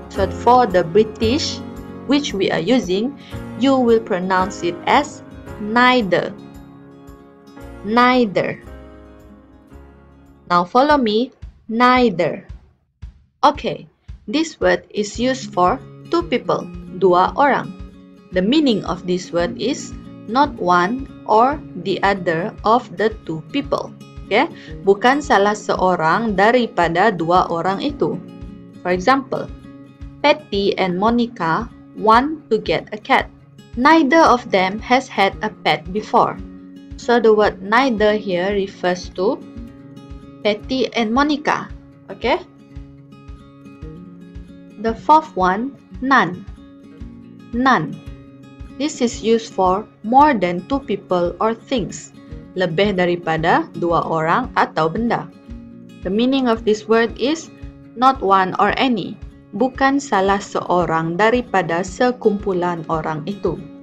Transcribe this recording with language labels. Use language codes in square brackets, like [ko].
[en] So for the British, which we are using, you will pronounce it as neither. Neither. Now follow me. Neither. Okay, this word is used for two people, dua orang. The meaning of this word is not one or the other of the two people. Okay? [ms] Bukan salah seorang daripada dua orang itu. [en] For example, Patty and Monica want to get a cat. Neither of them has had a pet before. So the word neither here refers to Patty and Monica. Okay? The fourth one, none. None. This is used for more than two people or things. [ms] Lebih daripada dua orang atau benda. [en] The meaning of this word is not one or any. [ms] Bukan salah seorang daripada sekumpulan orang itu.